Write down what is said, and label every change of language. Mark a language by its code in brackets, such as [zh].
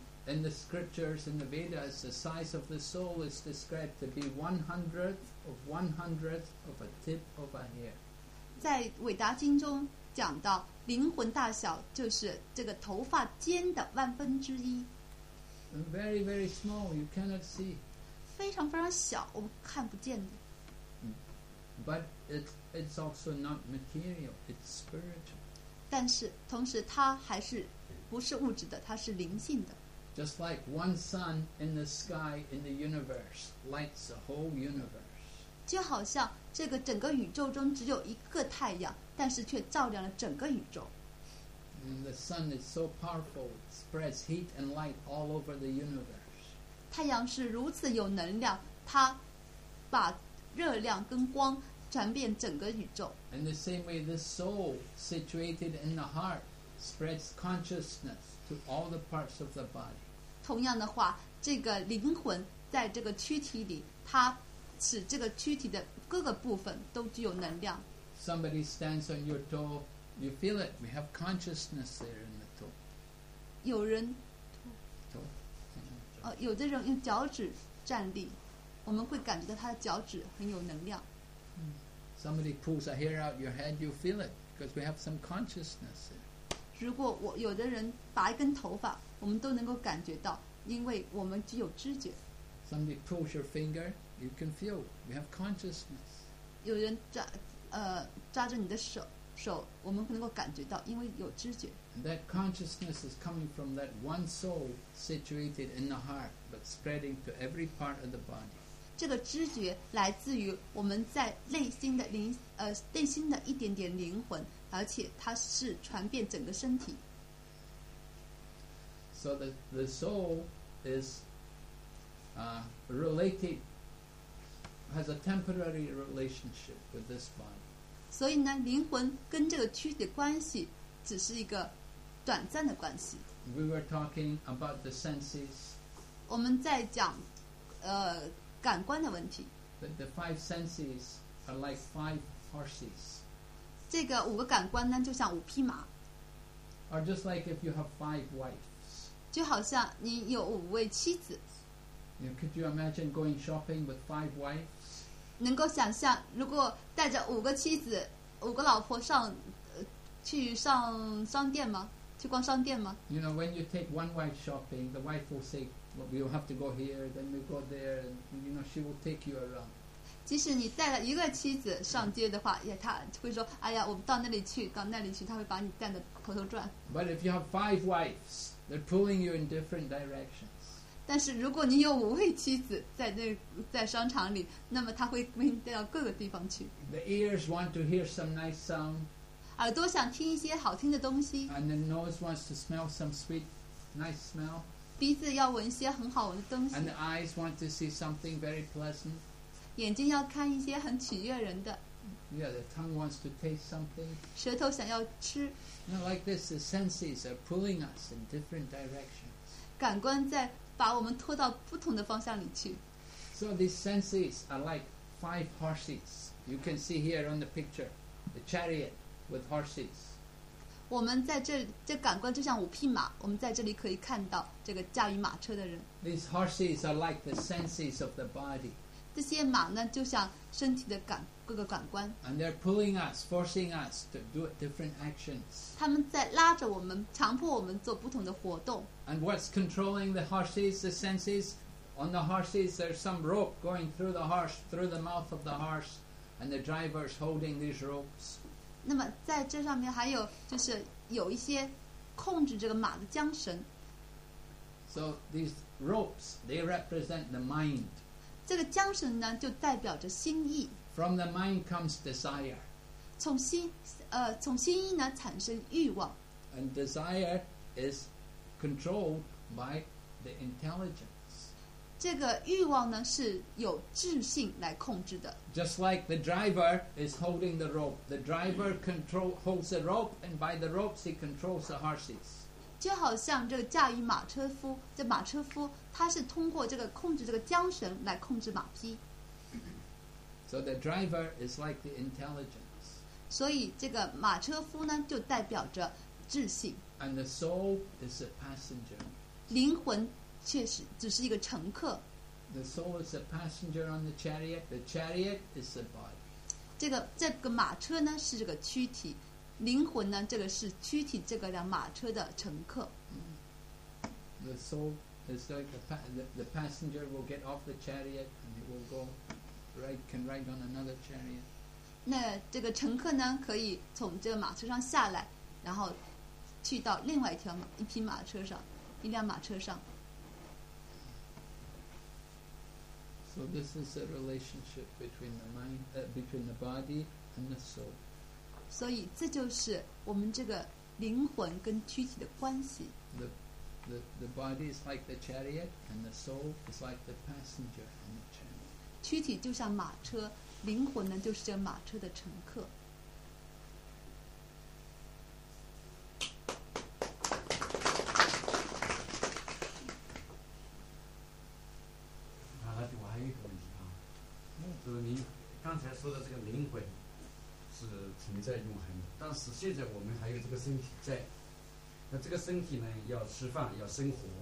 [en] In the scriptures, in the Vedas, the size of the soul is described to be 1/100 of 1/100 of a tip of a hair. [zh] 在韦达经中讲到灵魂大小就是这个头发尖的万分之一。 [en] And very, very small, you cannot see. [zh] 非常非常小，我们看不见的。 [en] But it's also not material, it's spiritual. [zh] 但是同时它还是不是物质的，它是灵性的。 [en] Just like one sun in the sky in the universe lights the whole universe. [zh] 就好像这个整个宇宙中只有一个太阳，但是却照亮了整个宇宙。 [en] And the sun is so powerful, it spreads heat and light all over the universe. [zh] 太阳是如此有能量，它把热量跟光传遍整个宇宙。 [en] And the same way, the soul situated in the heart spreads consciousness. All the parts of the body. [zh] 同样的话，这个灵魂在这个躯体里，它使这个躯体的各个部分都具有能量。 [en] Somebody stands on your toe, you feel it. We have consciousness there in the toe. [zh] 有人 [en] toe. [zh] 有的人用脚趾站立，我们会感觉到他的脚趾很有能量。 [en] Somebody pulls a hair out your head, you feel it because we have some consciousness there. [zh] 如果我有的人拔一根头发，我们都能够感觉到，因为我们具有知觉。 [en] Somebody pulls your finger, you can feel. We have consciousness. [zh] 有人抓着你的手，我们能够感觉到，因为有知觉。 [en] And that consciousness is coming from that one soul situated in the heart, but spreading to every part of the body. [zh] 这个知觉来自于我们在内心的内心的一点点灵魂。而且它是传遍整个身体。 [en] So the soul is related, has a temporary relationship with this body. [zh] 所以呢，灵魂跟这个躯体的关系只是一个短暂的关系。 [en] We were talking about the senses. [zh] 我们在讲感官的问题。 [en] But the five senses are like five horses. [zh] 这个五个感官呢，就像五匹马。 [en] Or just like if you have five wives. [zh] 就好像你有五位妻子。 [en] Could you imagine going shopping with five wives? [zh] 能够想象，如果带着五个妻子、五个老婆上，去上商店吗？去逛商店吗 [en] ？You know, when you take one wife shopping, the wife will say, "Well, we'll have to go here, then we go there." And, you know, she will take you around. [zh] 即使你带了一个妻子上街的话，也他会说：“哎呀，我们到那里去，到那里去。” 他会把你带得头头转。 [en] But if you have five wives, they're pulling you in different directions. [zh] 但是如果你有五位妻子在那在商场里，那么他会把你带到各个地方去。 [en] The ears want to hear some nice sound. [zh] 耳朵想听一些好听的东西。 [en] And the nose wants to smell some sweet, nice smell. [zh] 鼻子要闻一些很好闻的东西。 [en] And the eyes want to see something very pleasant. [zh] 眼睛要看一些很取悦人的。 [en] Yeah, the tongue wants to taste something. [zh] 舌头想要吃。 [en] You know, like this, the senses are pulling us in different directions. [zh] 感官在把我们拖到不同的方向里去。 [en] So these senses are like five horses. You can see here on the picture, the chariot with horses. [zh] 我们在这这感官就像五匹马，我们在这里可以看到这个驾驭马车的人。 [en] These horses are like the senses of the body. [zh] 这些马呢，就像身体的感各个感官。 [en] And they're pulling us, forcing us to do different actions. [zh] 他们在拉着我们，强迫我们做不同的活动。 [en] And what's controlling the horses, the senses? on the horses, there's some rope going through the horse, through the mouth of the horse, and the driver's holding these ropes. [zh] 那么在这上面还有就是有一些控制这个马的缰绳。 [en] So these ropes, they represent the mind. [zh] 这个缰绳呢就代表着心意。 [en] From the mind comes desire. [zh] 从心意呢产生欲望。 [en] And desire is controlled by the intelligence. [zh] 这个欲望呢是由智性来控制的。 [en] Just like the driver is holding the rope. The driver holds the rope, and by the ropes he controls the horses. [zh] 就好像这个驾驭马车夫，这马车夫他是通过这个控制这个缰绳来控制马匹。 [en] So the driver is like the intelligence. [zh] 所以这个马车夫呢就代表着智性。 [en] And the soul is a passenger. [zh] 灵魂确实只是一个乘客。 [en] The soul is a passenger on the chariot. The chariot is the body. [zh] 这个马车呢是这个躯体，灵魂呢这个是躯体这个辆马车的乘客。 [en] The soul is like the passenger will get off the chariot and it will go. Can ride on another chariot. [zh] 那这个乘客呢，可以从这个马车上下来，然后去到另外一匹马车上，一辆马车上。 [en] So this is the relationship between the mind, between the body and the soul. [zh] 所以这就是我们这个灵魂跟躯体的关系。 [en] The body is like the chariot, and the soul is like the passenger in the chariot. [zh] 躯体就像马车，灵魂呢就是这马车的乘客。啊，我还有一个问题啊，就是您刚才说的这个灵魂是存在永恒的，但是现在我们还有这个身体在，那这个身体呢要吃饭要生活，